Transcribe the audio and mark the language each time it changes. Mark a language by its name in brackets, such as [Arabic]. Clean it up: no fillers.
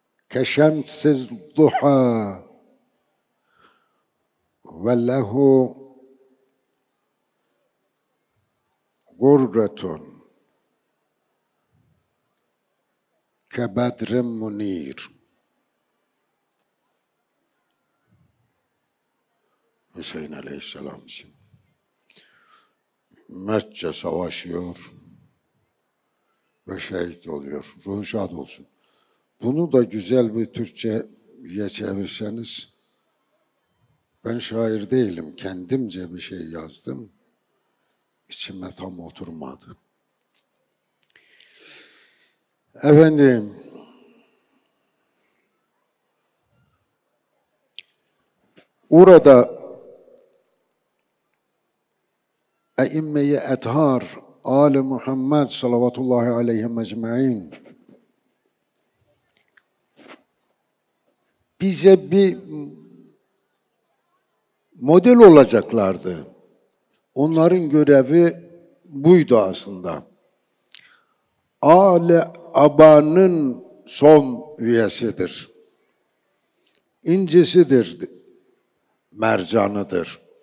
[Arabic] كشمس الضحى، وله غرة كبدر منير. [Turkish] Hüseyin Aleyhisselam için. Mertçe savaşıyor ve şehit oluyor. Ruhu şad olsun. Bunu da güzel bir Türkçe'ye çevirseniz, ben şair değilim, kendimce bir şey yazdım, İçime tam oturmadı. Efendim, orada [Arabic] اَئِمَّيَ اَتْهَارِ آلِ مُحَمَّدِ صَلَوَاتُ اللّٰهِ عَلَيْهِمْ اَجْمَعِينَ [Turkish] bize bir model olacaklardı. Onların görevi buydu aslında. Âl-i Aba'nın son üyesidir. İncisidir, mercanıdır.